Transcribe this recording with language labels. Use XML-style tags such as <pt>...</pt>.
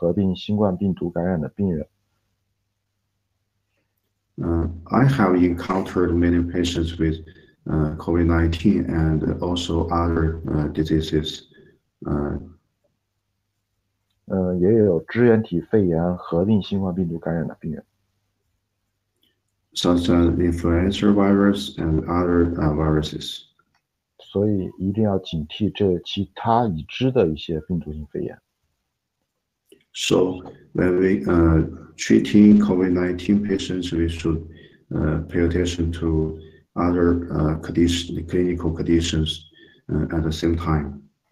<zh>我自己也确实收到过结核合并新冠病毒感染的病人。</zh> <en>I have encountered many patients with COVID-19 and also other diseases.</en> <zh>也有支原体肺炎合并新冠病毒感染的病人。</zh> <en>Such as influenza virus and other viruses.</en> <zh>所以一定要警惕这其他已知的一些病毒性肺炎。</zh> <en>So when we treating COVID-19 patients, we should pay attention to other clinical conditions at the same time.</en>